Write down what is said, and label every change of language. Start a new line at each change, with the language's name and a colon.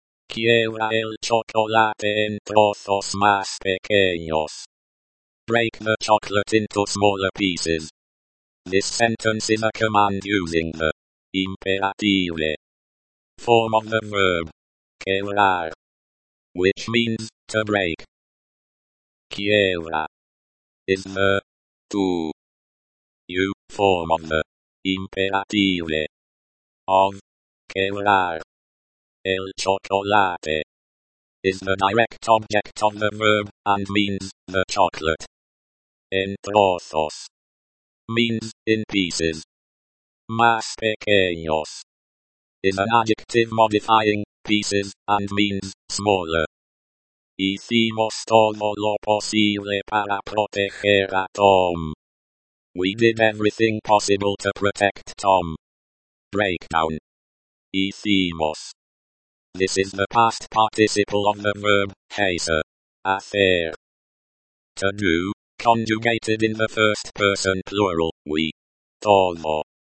Spanish: Quiebra el chocolate en trozos más pequeños.
English: Break the chocolate into smaller pieces. This sentence is a command using the imperative form of the verb. Quebrar. Which means, to break. Quiebra is the tu you form of the imperative of quebrar.
Spanish: El chocolate
English: is the direct object of the verb and means the chocolate.
Spanish: En trozos
English: means in pieces.
Spanish: Más pequeños
English: is an adjective modifying pieces and means smaller.
Spanish: Hicimos todo lo posible para proteger a Tom.
English: We did everything possible to protect Tom. Breakdown. Hicimos. This is the past participle of the verb, hacer. Hacer. To do, conjugated in the first person plural, we. Todo.